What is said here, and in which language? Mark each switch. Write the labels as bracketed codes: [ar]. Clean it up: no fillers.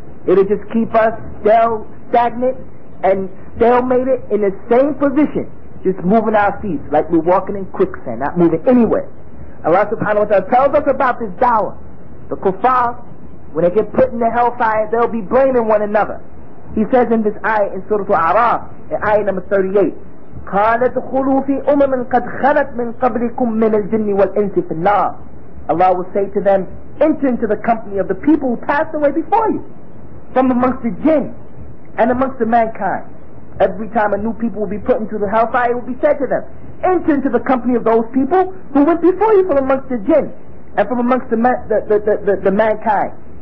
[en] It'll just keep us stagnant and stalemated in the same position, just moving our feet like we're walking in quicksand, not moving anywhere. Allah subhanahu wa ta'ala tells us about this dawah. The kuffar, when they get put in the hellfire, they'll be blaming one another. He says in this ayah in Surah Al-A'raf, in ayah number 38, [ar] قَالَ دُخُلُوا فِي أُمَمٍ قَدْ خَلَتْ مِنْ قَبْلِكُمْ مِنَ الْجِنِّ وَالْإِنْسِ فِي النَّارِ. [en] Allah will say to them, enter into the company of the people who passed away before you, from amongst the jinn and amongst the mankind. Every time a new people will be put into the hellfire, it will be said to them, enter into the company of those people who went before you from amongst the jinn and from amongst the mankind.